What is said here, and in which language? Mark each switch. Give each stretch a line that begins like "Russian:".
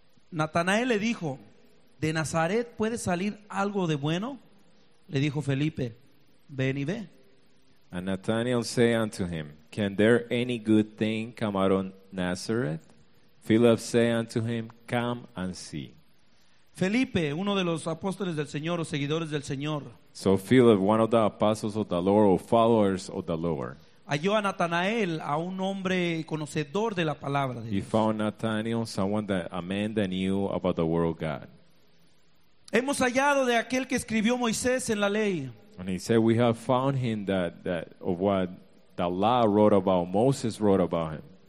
Spanish: Natanael le dijo, ¿de Nazaret puede salir algo de bueno? Le dijo Felipe, ven y ve.
English: And Nathanael said unto him, can there any good thing come out of Nazareth? Philip said unto him, come and see.
Spanish: Felipe, uno de los apóstoles del Señor o seguidores del Señor.
English: So Philip, one of the apostles of the Lord or followers of the Lord.
Spanish: Halló a Natanael, a un hombre conocedor de la palabra de Dios.
English: He found Nathanael, someone that a man that knew about the word of God.
Spanish: Hemos hallado de aquel que escribió Moisés en la ley.
English: And he said, we have found him that of what the law wrote about, Moses wrote about him.